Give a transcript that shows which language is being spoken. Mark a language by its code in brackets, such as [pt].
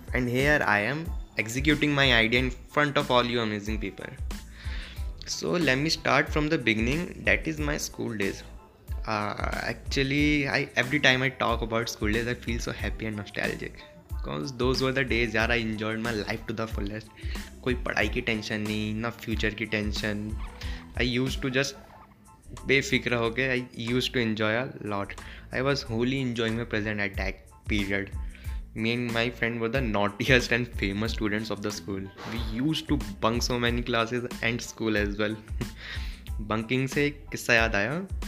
[en] And here I am executing my idea in front of all you amazing people. So let me start from the beginning. That is my school days. Every time I talk about school days, I feel so happy and nostalgic. Because those were the days [hi] यार [en] I enjoyed my life to the fullest. [hi] कोई पढ़ाई की tension नहीं, ना future की tension. [en] I used to just [hi] बेफिक्र होके [en] I used to enjoy a lot. I was wholly enjoying my present at that period. Me and my friend were the naughtiest and famous students of the school. We used to bunk so many classes and school as well. [hi] Bunking से एक किस्सा याद आया.